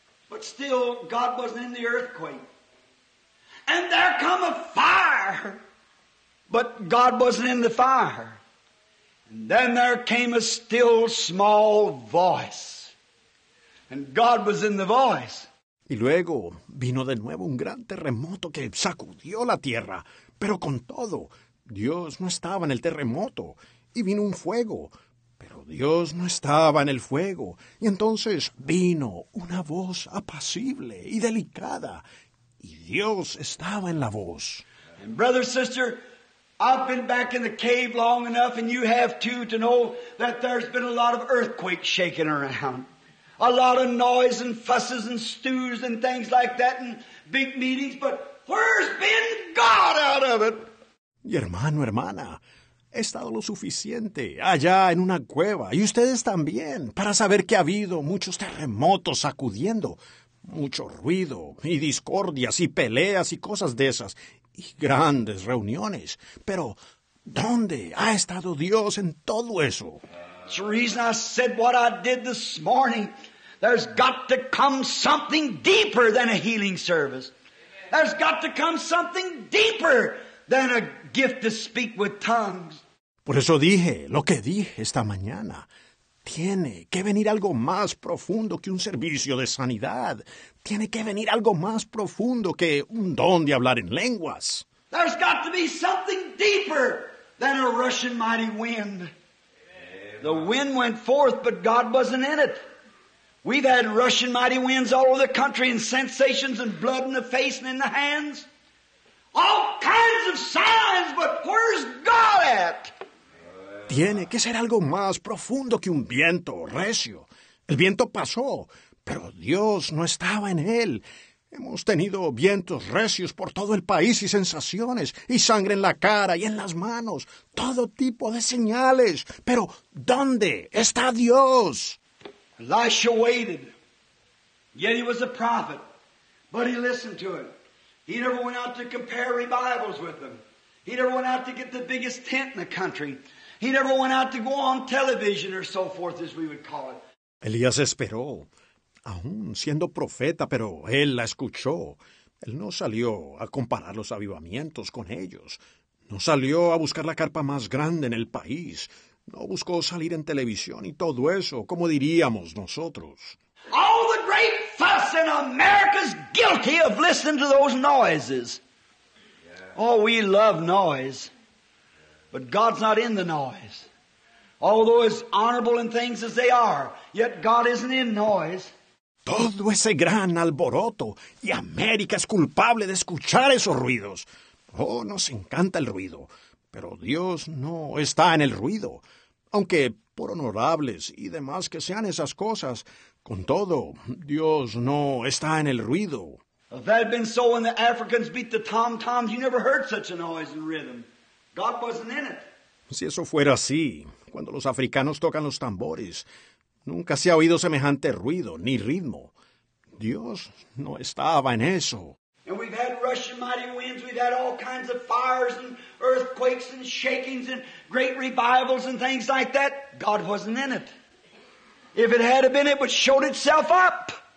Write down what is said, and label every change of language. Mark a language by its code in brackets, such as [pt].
[en] But still, God wasn't in the earthquake. And there come a fire, but God wasn't in the fire. And then there came a still, small voice, and God was in the voice. [es] Y luego vino de nuevo un gran terremoto que sacudió la tierra, pero con todo, Dios no estaba en el terremoto. Y vino un fuego, pero Dios no estaba en el fuego. Y entonces vino una voz apacible y delicada, y Dios estaba en la voz. [en] And brother, sister, I've been back in the cave long enough, and you have too, to know that there's been a lot of earthquakes shaking around. A lot of noise and fusses and stews and things like that and big meetings, but where's been God out of it? [es] Y hermano, hermana, he estado lo suficiente allá en una cueva, y ustedes también, para saber que ha habido muchos terremotos sacudiendo, mucho ruido y discordias y peleas y cosas de esas, y grandes reuniones. Pero ¿dónde ha estado Dios en todo eso? [en] It's the reason I said what I did this morning. There's got to come something deeper than a healing service. There's got to come something deeper than a gift to speak with tongues. [es] Por eso dije lo que dije esta mañana. Tiene que venir algo más profundo que un servicio de sanidad. Tiene que venir algo más profundo que un don de hablar en lenguas. [en] There's got to be something deeper than a rushing mighty wind. The wind went forth, but God wasn't in it. We've had rushing mighty winds all over the country and sensations and blood in the face and in the hands. All kinds of signs, but where's God at? [es] Tiene que ser algo más profundo que un viento recio. El viento pasó, pero Dios no estaba en él. Hemos tenido vientos recios por todo el país y sensaciones, y sangre en la cara y en las manos, todo tipo de señales. Pero ¿dónde está Dios? [en] Elisha waited, yet he was a prophet, but he listened to it. He never went out to compare revivals with them. He never went out to get the biggest tent in the country. He never went out to go on television or so forth, as we would call it. [es] Elías esperó, aún siendo profeta, pero él la escuchó. Él no salió a comparar los avivamientos con ellos. No salió a buscar la carpa más grande en el país. No buscó salir en televisión y todo eso, como diríamos nosotros. [en] All the great fuss in America's guilty of listening to those noises. Oh, we love noise. But God's not in the noise. Although as honorable in things as they are, yet God isn't in noise. [es] Todo ese gran alboroto, y América es culpable de escuchar esos ruidos. Oh, nos encanta el ruido, pero Dios no está en el ruido. Aunque por honorables y demás que sean esas cosas, con todo, Dios no está en el ruido. [en] If that had been so when the Africans beat the tom-toms, you never heard such a noise and rhythm. God wasn't in it. [es] Si eso fuera así, cuando los africanos tocan los tambores, nunca se ha oído semejante ruido ni ritmo. Dios no estaba en eso. [en] And we've had rushing mighty winds, we've had all kinds of fires and earthquakes and shakings and great revivals and things like that. God wasn't in it. If it had been, it would showed itself up.